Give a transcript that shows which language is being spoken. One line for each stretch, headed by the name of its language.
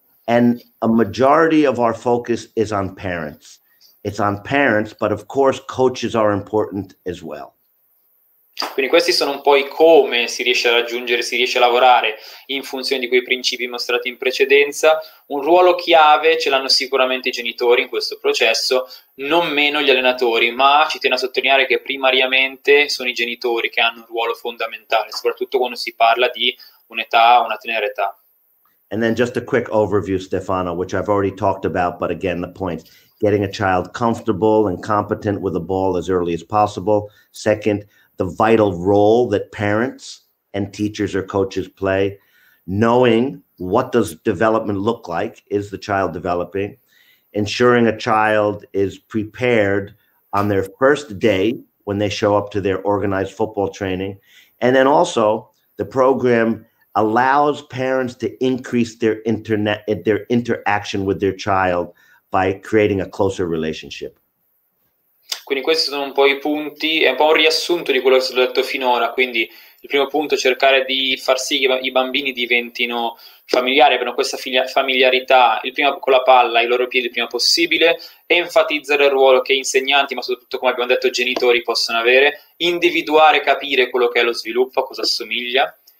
English: And a majority of our focus is on parents. It's on parents, but of course coaches are important as well.
Italian: Quindi questi sono un po' i come si riesce a raggiungere, si riesce a lavorare in funzione di quei principi mostrati in precedenza. Un ruolo chiave ce l'hanno sicuramente i genitori in questo processo, non meno gli allenatori, ma ci tiene a sottolineare che primariamente sono i genitori che hanno un ruolo fondamentale, soprattutto quando si parla di un'età, una tenera età.
English: And then just a quick overview, Stefano, which I've already talked about, but again, the point: getting a child comfortable and competent with the ball as early as possible. Second, the vital role that parents and teachers or coaches play. Knowing what does development look like, is the child developing? Ensuring a child is prepared on their first day when they show up to their organized football training. And then also the program allows parents to increase their interaction with their child by creating a closer relationship.
Italian: Quindi questi sono un po' i punti, è un po' un riassunto di quello che ho detto finora. Quindi il primo punto è cercare di far sì che i bambini diventino familiari, abbiano questa familiarità il prima con la palla, i loro piedi il prima possibile, enfatizzare il ruolo che insegnanti, ma soprattutto, come abbiamo detto, genitori possono avere, individuare, capire quello che è lo sviluppo, a cosa assomiglia,